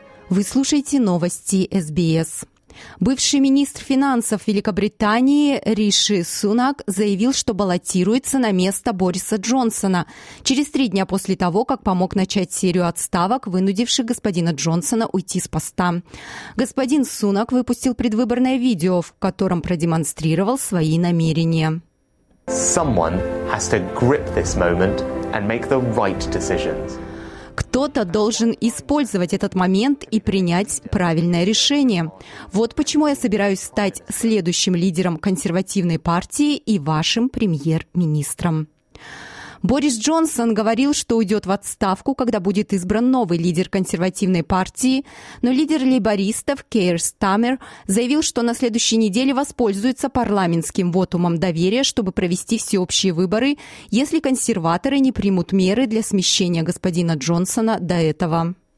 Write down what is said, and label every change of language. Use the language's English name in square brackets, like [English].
[Russian] Вы слушаете новости SBS. Бывший министр финансов Великобритании Риши Сунак заявил, что баллотируется на место Бориса Джонсона через 3 дня после того, как помог начать серию отставок, вынудивших господина Джонсона уйти с поста. Господин Сунак выпустил предвыборное видео, в котором продемонстрировал свои намерения. [English] Someone has to grip this moment and make the right decisions. [Russian] Кто-то должен использовать этот момент и принять правильное решение. Вот почему я собираюсь стать следующим лидером консервативной партии и вашим премьер-министром. Борис Джонсон говорил, что уйдет в отставку, когда будет избран новый лидер консервативной партии, но лидер лейбористов Кейр Стармер заявил, что на следующей неделе воспользуется парламентским вотумом доверия, чтобы провести всеобщие выборы, если консерваторы не примут меры для смещения господина Джонсона до этого.